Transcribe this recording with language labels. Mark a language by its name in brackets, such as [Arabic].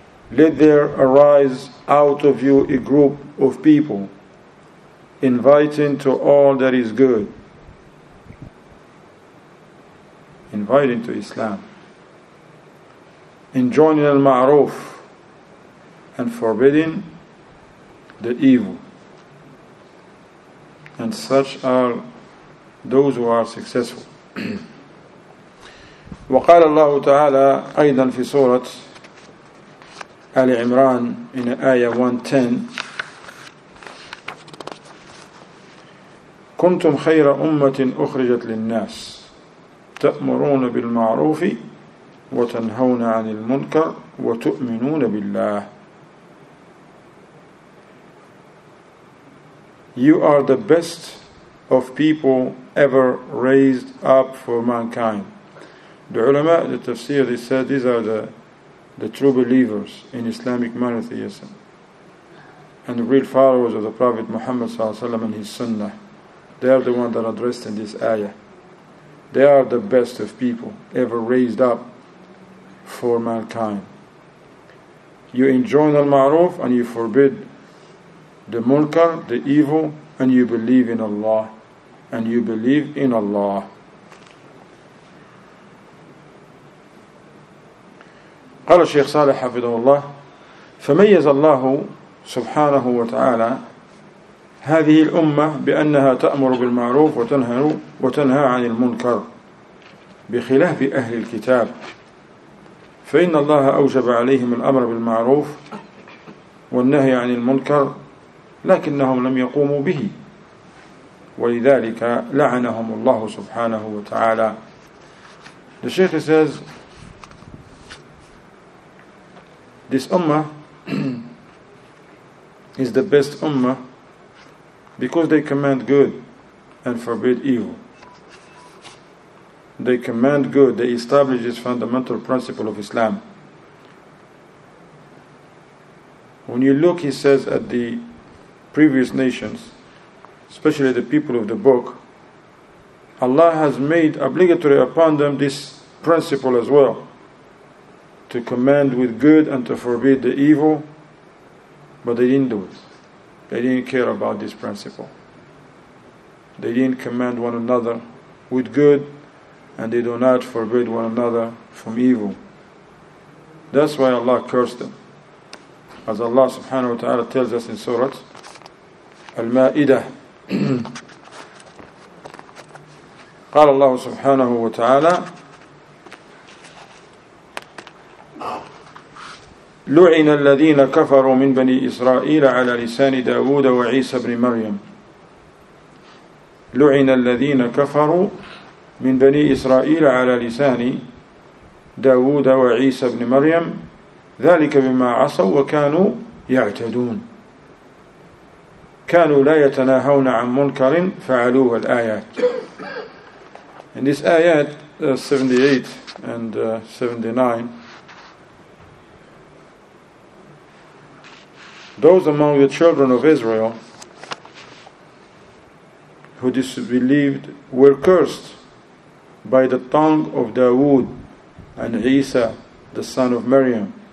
[English] Let there arise out of you a group of people inviting to all that is good, inviting to Islam, enjoining al-ma'roof and forbidding the evil. And such are those who are successful. [Arabic] وقال الله تعالى أيضا في سورة آل عمران [English] in [Arabic] آية 110 كنتم خير أمة أخرجت للناس تأمرون بالمعروف وتنهون عن المنكر وتؤمنون بالله. [English] You are the best of people ever raised up for mankind. The ulama, the tafsir, they said these are the true believers in Islamic monotheism and the real followers of the Prophet Muhammad ﷺ and his sunnah. They are the ones that are addressed in this ayah. They are the best of people ever raised up for mankind. You enjoin al-ma'ruf and you forbid the munkar, the evil, and you believe in Allah. And you believe in Allah. [Arabic] قال الشيخ صالح حفظه الله فميز الله سبحانه وتعالى هذه الأمة بأنها تأمر بالمعروف وتنهى عن المنكر بخلاف أهل الكتاب. فإن الله أوجب عليهم الأمر بالمعروف والنهي عن المنكر لكنهم لم يقوموا به ولذلك لعنهم الله سبحانه وتعالى. [English] The Shaykh says this ummah is the best ummah because they command good and forbid evil. They command good, they establish this fundamental principle of Islam. When you look, he says, at the previous nations, especially the people of the book, Allah has made obligatory upon them this principle as well, to command with good and to forbid the evil, but they didn't do it. They didn't care about this principle. They didn't command one another with good, and they do not forbid one another from evil. That's why Allah cursed them. As Allah subhanahu wa ta'ala tells us in Surah [Arabic] المائدة قال الله سبحانه وتعالى لعن الذين كفروا من بني إسرائيل على لسان داود وعيسى بن مريم. لعن الذين كفروا من بني إسرائيل على لسان داود وعيسى بن مريم ذلك بما عصوا وكانوا يعتدون، كانوا لا يتناهون عن منكر فعلوه. [English] الآيات in this ayat 78 and 79, those among the children of Israel who disbelieved were cursed by the tongue of Dawood and Isa, the son of Maryam.